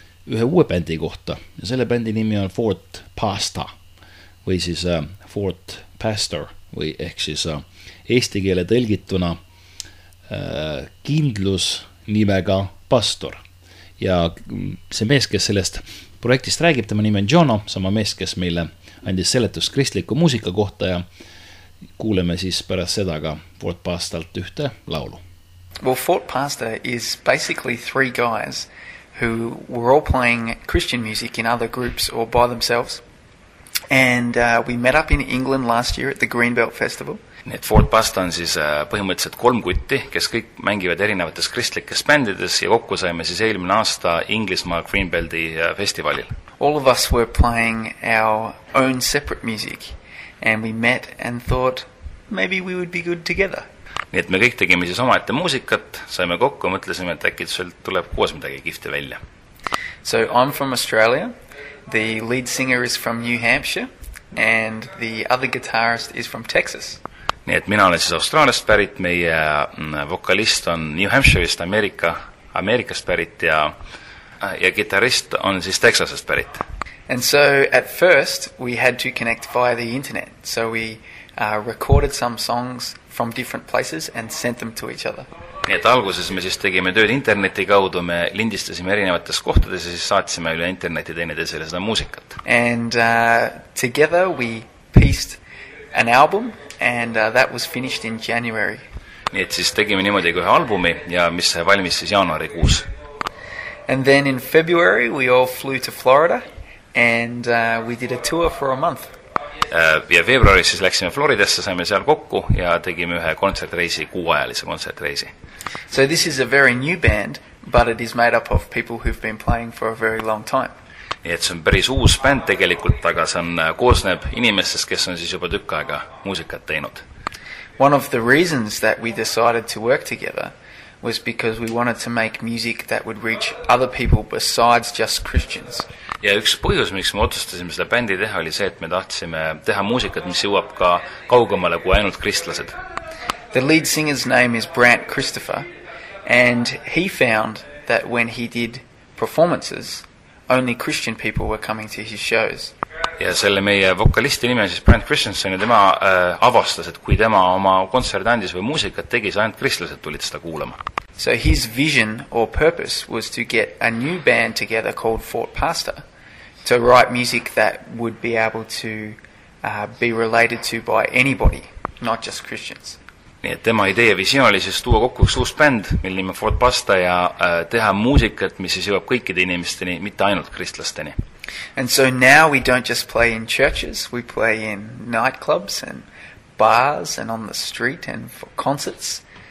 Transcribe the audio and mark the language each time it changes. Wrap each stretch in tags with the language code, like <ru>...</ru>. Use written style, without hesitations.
<et>ühe uue bändi kohta ja selle bändi nimi on Fort Pasta või siis Fort Pastor või ehk siis eesti keele tõlgituna kindlus nimega pastor. Ja see mees, kes sellest projektist räägib, tema nime on Jono, sama mees, kes meile andis seletus kristliku muusika kohta ja Kuuleme siis pärast seda ka Fort Pastalt ühte laulu.</et> <en>Well, Fort Pastor is basically three guys who were all playing Christian music in other groups or by themselves. And we met up in England last year at the Greenbelt Festival.</en> <et>Need Fort Pastor on siis põhimõtteliselt kolm kutti, kes kõik mängivad erinevates kristlikes bändides ja kokku saime siis eelmine aasta Inglismaa Greenbelti festivalil.</et> <en>All of us were playing our own separate music and we met and thought maybe we would be good together.</en> <et>Nii et me kõik tegime siis oma ette muusikat, saime kokku ja mõtlesime, et äkki sealt tuleb koos midagi kifti välja.</et> <en>So I'm from Australia, the lead singer is from New Hampshire and the other guitarist is from Texas.</en> <et>Nii et mina olen siis Austraaliast pärit, meie vokalist on New Hampshireist Ameerikast pärit ja gitarist on siis Texasest pärit.</et> <en>And so at first we had to connect via the internet, so we recorded some songs from different places and sent them to each other.</en> <et>Nii et alguses me siis tegime tööd interneti kaudu, me lindistasime erinevates kohtades ja siis saatsime üle interneti teineteisele seda muusikat.</et> <en>And together we pieced an album and that was finished in January.</en> <et>Nii et siis tegime niimoodi kui ühe albumi ja mis sai valmis siis jaanuari kuus.</et> <en>And then in February we all flew to Florida and we did a tour for a month.</en> <et>Ja veebruaris siis läksime Floridasse, saime seal kokku ja tegime ühe kontsertreisi, kuuajalise kontsertreisi.</et> <en>So this is a very new band, but it is made up of people who've been playing for a very long time.</en> <et>Nii et see on päris uus band tegelikult, aga see on koosneb inimestest, kes on siis juba tükk aega muusikat teinud.</et> <en>One of the reasons that we decided to work together was because we wanted to make music that would reach other people besides just Christians.</en> <et>Ja üks põhjus, miks me otsustasime seda bändi teha, oli see, et me tahtsime teha muusikat, mis jõuab ka kaugemale kui ainult kristlased.</et> <en>The lead singer's name is Brant Christopher, and he found that when he did performances, only Christian people were coming to his shows.</en> <et>Ja selle meie vokalisti nime siis Brant Christensen ja tema avastas, et kui tema oma kontserdandis või muusikat tegi, siis ainult kristlased tulid seda kuulema.</et> <en>So his vision or purpose was to get a new band together called Fort Pastor to write music that would be able to be related to by anybody, not just Christians.</en> <et>Nii et tema idee ja visioon oli siis tuua kokku üks uus band, mille nime Fort Pastor ja teha muusikat, mis siis jõuab kõikide inimesteni, mitte ainult kristlasteni.</et> <en>And so now we don't just play in churches, we play in nightclubs and bars and on the street and for concerts.</en>